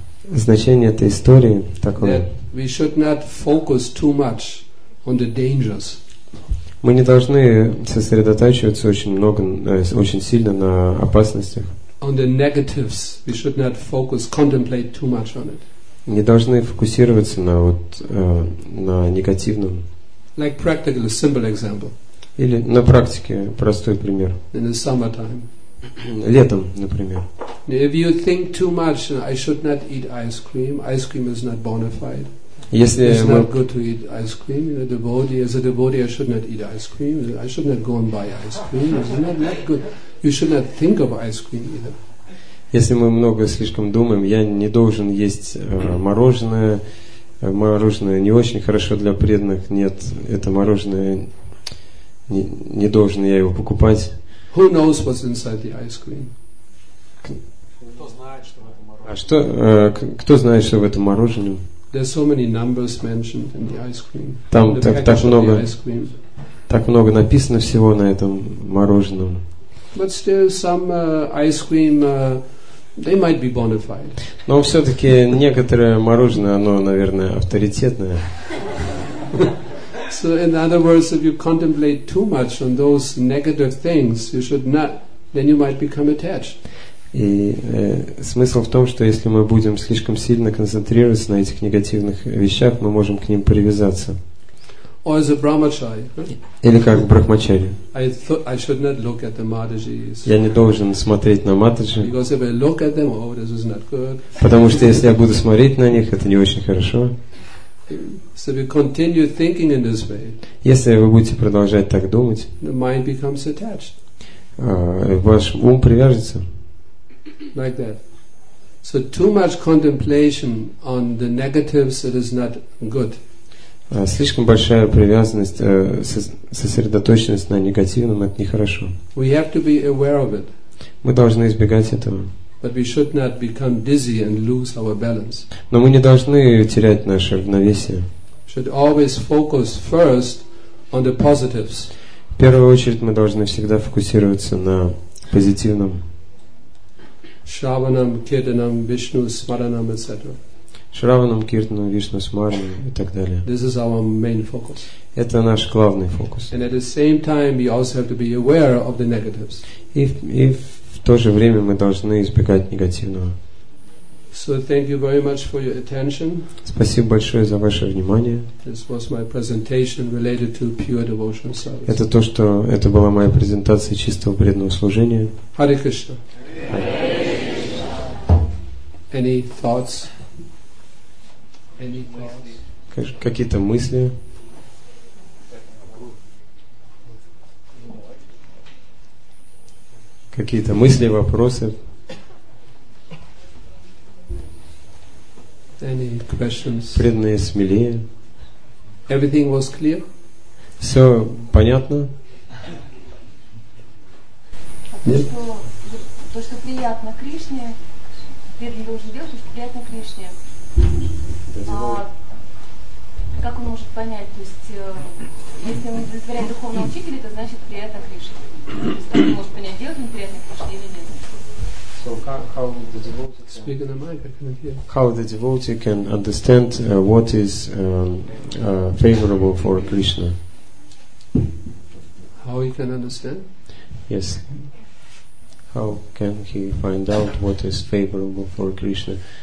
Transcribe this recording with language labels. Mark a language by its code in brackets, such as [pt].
[ru] Значение этой истории такое. [en] We should not focus too much on the dangers. [ru] Мы не должны сосредотачиваться очень много, очень сильно на опасностях. [en] On the negatives, we should not focus, contemplate too much on it. [ru] Не должны фокусироваться на вот на негативном. [en] Like practical, a simple example. [ru] Или на практике простой пример. [en] In the summertime. [ru] Летом, например. [en] If you think too much, I should not eat ice cream. Ice cream is not bona fide. [ru] Если [en] it's not good to eat ice cream. You know, devotee, as a devotee, I should not eat ice cream. I should not go and buy ice cream. It's not good. You should not think of ice cream either. [ru] Если мы много слишком думаем, я не должен есть мороженое. Мороженое не очень хорошо для преданных. Нет, это мороженое не должен я его покупать. [en] Who knows what's inside the ice cream? [ru] Кто знает, что в этом мороженом? Кто знает, что в этом мороженом? [en] There's so many numbers mentioned in the ice cream. [ru] Там так много написано всего на этом мороженом. [en] But still some ice cream they might be bona fide. [ru] Но все-таки некоторое мороженое, оно, наверное, авторитетное. [en] So in other words, if you contemplate too much on those negative things, you should not, then you might become attached. [ru] И смысл в том, что если мы будем слишком сильно концентрироваться на этих негативных вещах, мы можем к ним привязаться. [en] Or as a brahmachari. [ru] Или как брахмачари. [en] I should not look at the Matajis. [ru] Я не должен смотреть на матаджи. [en] Because if I look at them, oh, this is not good. [ru] Потому что если я буду смотреть на них, это не очень хорошо. [en] So we continue thinking in this way. [ru] Если вы будете продолжать так думать, [en] the mind becomes attached. [ru] Ваш ум привяжется. [en] Like that. So too much contemplation on the negatives, it is not good. [ru] Слишком большая привязанность, сосредоточенность на негативном, это нехорошо. [en] We have to be aware of it. [ru] Мы должны избегать этого. [en] But we should not become dizzy and lose our balance. [ru] Но мы не должны терять наше равновесие. [en] Should always focus first on the positives. [ru] В первую очередь мы должны всегда фокусироваться на позитивном. [sa] Шраванам, киртанам, вишну, смаранам, etc. Шраванам, киртанам, вишну, смаранам [ru] и так далее. [en] This is our main focus. [ru] Это наш главный фокус. [en] And at the same time, we also have to be aware of the negatives. [ru] И в то же время мы должны избегать негативного. [en] So thank you very much for your attention. [ru] Спасибо большое за ваше внимание. [en] This was my presentation related to pure devotional service. [ru] Это то, что это была моя презентация чистого преданного служения. [en] Hare Krishna. Any thoughts? Any thoughts? [ru] Какие-то мысли? Какие-то мысли, вопросы? [en] Any questions? [ru] Преданные смелее. [en] Everything was clear? [ru] Все понятно? Нет? то, что приятно Кришне, преданный должен делать, то, что приятно Кришне. Как он может понять, то есть, если он удовлетворяет духовного учителя, это значит приятно Кришне. То есть, как он может понять, делать ему приятно Кришне или нет? [en] How the devotee can understand what is favorable for Krishna? How he can understand? Yes. How can he find out what is favorable for Krishna?